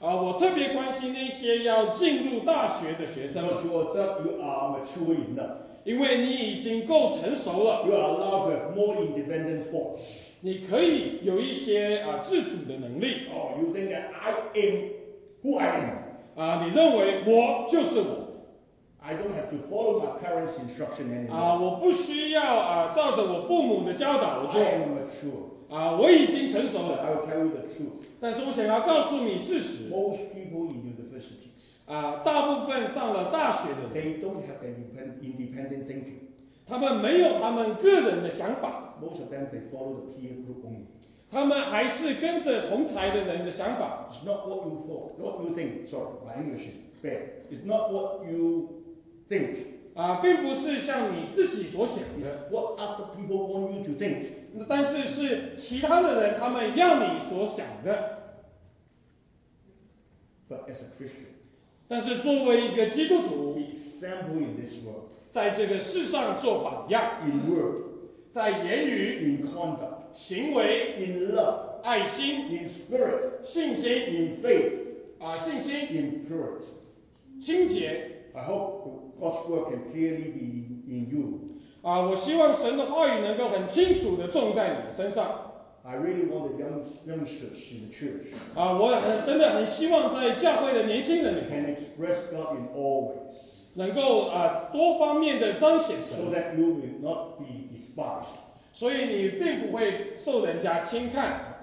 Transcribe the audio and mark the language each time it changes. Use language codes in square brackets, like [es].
[zh] 我特别关心那些要进入大学的学生 [en] because you think you are mature enough [zh] 因为你已经够成熟了 [en] You are allowed to have more independent thoughts [zh] 你可以有一些自主的能力。 [en] Oh, you think that I am who I am. [zh] 你认为我就是我。 [en] I don't have to follow my parents' instruction anymore. [zh] 我不需要照着我父母的教导我做。 [en] I am mature. [zh] 我已经成熟了。 [en] I will tell you the truth. [zh] 但是我想要告诉你事实。 [en] Most people in universities. [zh] 大部分上了大学的人。 [en] They don't have an independent thinking. [zh] 他们没有他们个人的想法。 [en] Most of them they follow the peer group only. [zh] 他们还是跟着同侪的人的想法。 [en] It's not what you thought, not what you think. Sorry, my English is bad. It's not what you think. [zh] 并不是像你自己所想的。 [en] It's what other people want you to think. [zh] 但是是其他的人他们要你所想的。 [en] But as a Christian, [zh] 但是作为一个基督徒 [en] be example in this world, [zh] 在这个世上做榜样 [en] in word. [zh] 在言语 [en] in conduct, [zh] 行为 [en] in love, [zh] 爱心 [en] in spirit, [zh] 信心 [en] in faith, [zh] 信心 [en] in purity, [zh] 清洁 [en] I hope God's word can clearly be in you. [zh] 我希望神的话语能够很清楚地种在你的身上。 [en] I really want the youngsters in the church. [zh] 我真的很希望在教会的年轻人里面 [en] can express God in all ways. [zh] 能够多方面的彰显神 [en] so that you will not be despised. [zh] 所以你并不会受人家轻看